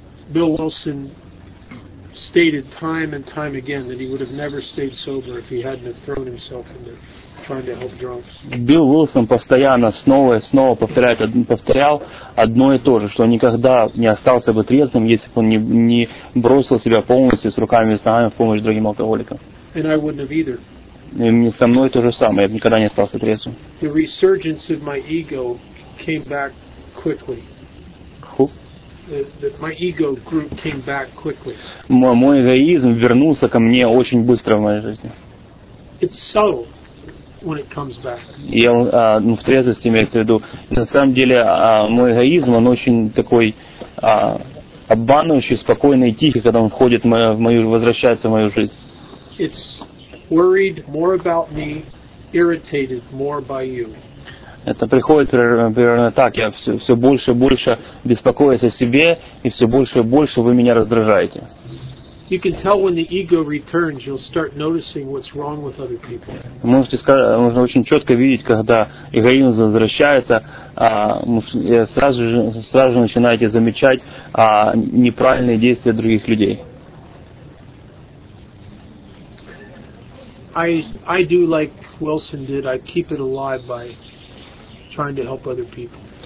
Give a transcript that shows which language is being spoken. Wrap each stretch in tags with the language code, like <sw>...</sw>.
<en>Билл Уилсон stated time and time again that he would have never stayed sober if he hadn't thrown himself into trying to help drunks.</en> <ru>Билл Уилсон постоянно снова и снова повторял одно и то же, что никогда не остался бы трезвым, если бы он не бросил себя полностью с руками и с ногами в помощь другим алкоголикам.</ru> <en>And I wouldn't have either.</en> <ru>И мне со мной то же самое, я бы никогда не остался трезвым.</ru> <en>The resurgence of my ego came back quickly. My ego group came back quickly.</en> <ru>Мой эгоизм вернулся ко мне очень быстро в моей жизни.</ru> <en>It's subtle when it comes back.</en> <ru>В трезвости имеется в виду. На самом деле, мой эгоизм, он очень такой обманывающий, спокойный и тихий, когда он входит возвращается в мою жизнь.</ru> <en>It's worried more about me, irritated more by you.</en> <ru>Это приходит примерно так, я все больше и больше беспокоюсь о себе, и все больше и больше вы меня раздражаете.</ru> <en>You can tell when the ego returns, you'll start noticing what's wrong with other people.</en> <ru>Можно очень четко видеть, когда эгоизм возвращается, сразу же начинаете замечать неправильные действия других людей.</ru> <en>I do like Wilson did, I keep it alive by trying to help other people.</en>